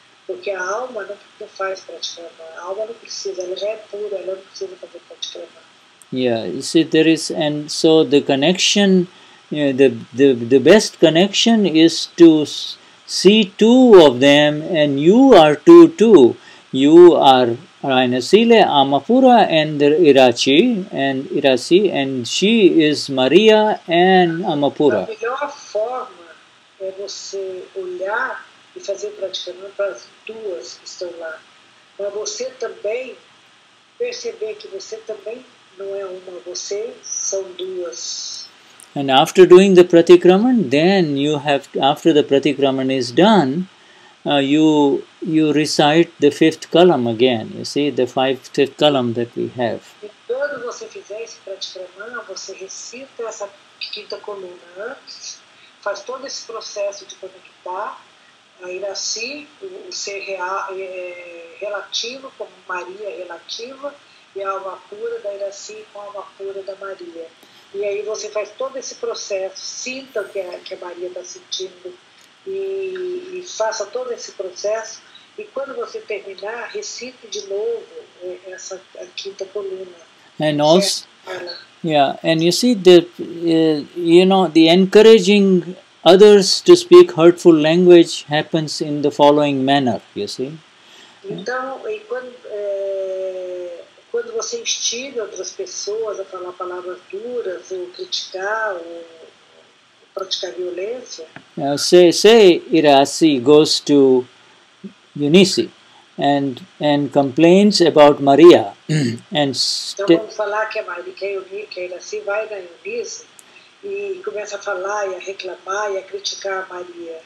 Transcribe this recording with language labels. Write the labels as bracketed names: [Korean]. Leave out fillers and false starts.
[Portuguese] Porque a alma não faz pratikrama. A alma não precisa, ela já é pura, ela não precisa fazer pratikrama. [English] Yeah, you see, there is, and so the connection, the best connection is to see two of them, and you are two too. You are Rainasile Amapura and Irachi, and Irasi, and she is Maria and Amapura. [Portuguese] A melhor forma é você olhar e fazer praticamente para as duas que estão lá. Para você também perceber que você também não é uma, você são duas. [English] And after doing the pratikraman, then you have, after the pratikraman is done, you recite the fifth kalam again, you see, the fifth kalam that we have. [Portuguese] E quando você fizer esse pratikraman, você recita essa quinta coluna antes, faz todo esse processo de conectar a Irasi, o ser relativo, como Maria relativa, e a alma pura da Irasi com a alma pura da Maria. E aí você faz todo esse processo, sinta o que a Maria está sentindo, e faça todo esse processo, e quando você terminar, recite de novo essa a quinta coluna. É nós. [English] Yeah, and you see, the encouraging others to speak hurtful language happens in the following manner, you see. [Portuguese] Então, e quando você instiga outras pessoas a falar palavras duras ou criticar ou praticar violência. [English] Say Irasi goes to Eunice and complains about Maria and [Portuguese] então vamos falar que a Irasi vai na Eunice e começa a falar e a reclamar e a criticar a Maria.